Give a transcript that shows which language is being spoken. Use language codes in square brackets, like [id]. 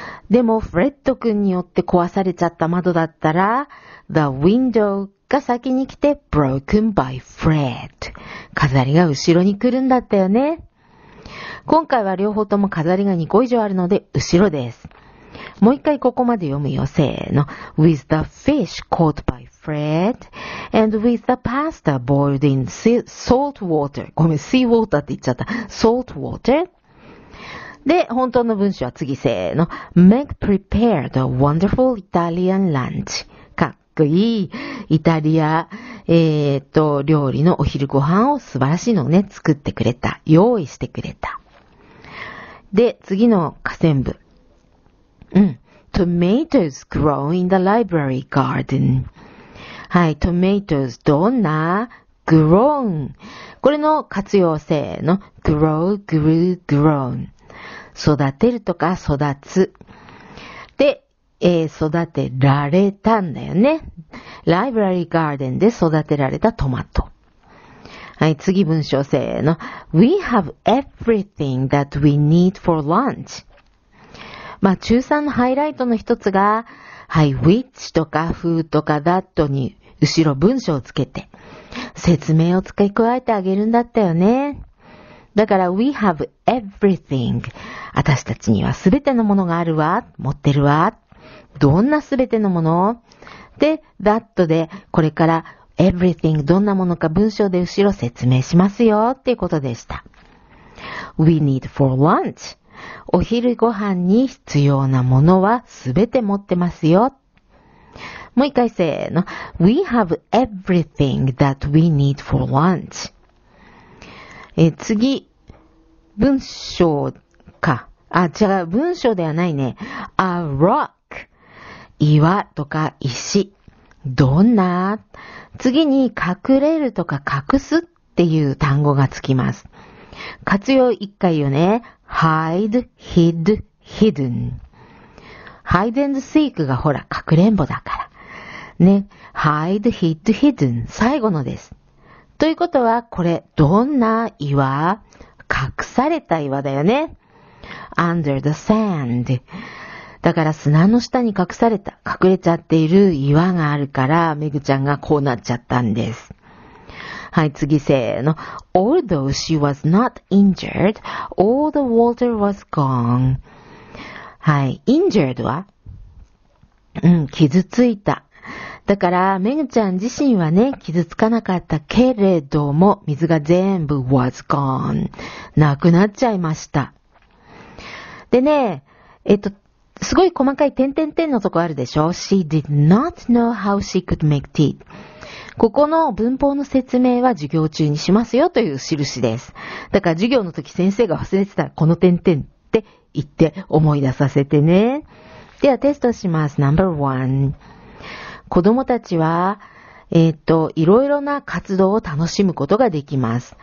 [ja] でも、フレット君によって壊されちゃった窓だったら、 [en] the window [ja] が先に来て、 [en] broken by Fred。 [ja] 飾りが後ろに来るんだったよね。今回は両方とも飾りが2個以上あるので、後ろです。もう一回ここまで読むよ。せーの。 [en] With the fish caught by Fred and with the pasta boiled in salt water。 [ja] ごめん、sea water って言っちゃった。salt water。で、本当の文章は次、せーの。 [en] Meg prepared a wonderful Italian lunch. [ja] かっこいい。イタリア、料理のお昼ご飯を素晴らしいのをね、作ってくれた。用意してくれた。で、次の下線部。 [en] Tomatoes grow in the library garden. [ja] はい、tomatoes どんな？grown。これの活用、せーの。 [en] grow, grew, grown。 [ja] 育てるとか育つ。で、育てられたんだよね。ライブラリーガーデンで育てられたトマト。はい、次文章せーの。 [en] We have everything that we need for lunch. [ja] まあ、中3のハイライトの一つが、はい、which とか who とか that に後ろ文章をつけて、説明を付け加えてあげるんだったよね。 [en] だから、we have everything. [ja] 私たちにはすべてのものがあるわ。持ってるわ。どんなすべてのもの？で、that で、これから、everything どんなものか文章で後ろ説明しますよっていうことでした。 [en] We need for lunch. [ja] お昼ご飯に必要なものはすべて持ってますよ。もう一回せーの。 [en] We have everything that we need for lunch. [ja] 次、文章か。あ、違う、文章ではないね。 [en] A rock. [ja] 岩とか石。どんな？次に、隠れるとか隠すっていう単語がつきます。活用一回よね。 [en] hide, hid, hidden。 hide and seek [ja] がほら、隠れんぼだからね。 [en] hide, hid, hidden [ja] 最後のです。ということは、これどんな岩？隠された岩だよね。 [en] under the sand。 [ja] だから砂の下に隠された、隠れちゃっている岩があるから、めぐちゃんがこうなっちゃったんです。はい、次せーの。 [en] Although she was not injured, all the water was gone. [ja] はい、injured は？傷ついた。だから、めぐちゃん自身はね、傷つかなかったけれども、水が全部 [en] was gone、 [ja] なくなっちゃいました。でね、すごい細かい点々点のとこあるでしょ？ [en] She did not know how she could make tea. [ja] ここの文法の説明は授業中にしますよという印です。だから授業の時先生が忘れてたら、この点々って言って思い出させてね。ではテストします。No.1 子供たちは、いろいろな活動を楽しむことができます。